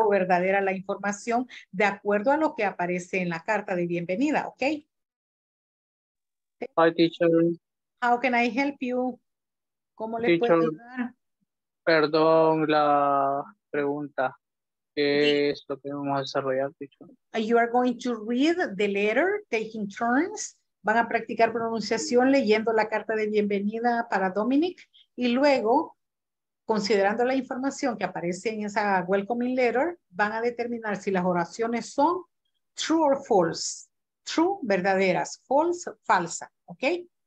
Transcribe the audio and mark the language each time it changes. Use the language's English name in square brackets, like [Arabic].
[Spanish] es o verdadera la información, de acuerdo a lo que aparece en la carta de bienvenida, ¿ok? [English] Hi, teacher. How can I help you? [Spanish] ¿Cómo le puedo ayudar? Perdón la pregunta. ¿Qué es lo que vamos a desarrollar, teacher? [English] You are going to read the letter, taking turns. [Spanish] Van a practicar pronunciación leyendo la carta de bienvenida para Dominic. Y luego, considerando la información que aparece en esa welcoming letter, van a determinar si las oraciones son true or false. True, verdaderas. False, falsa. ¿Ok?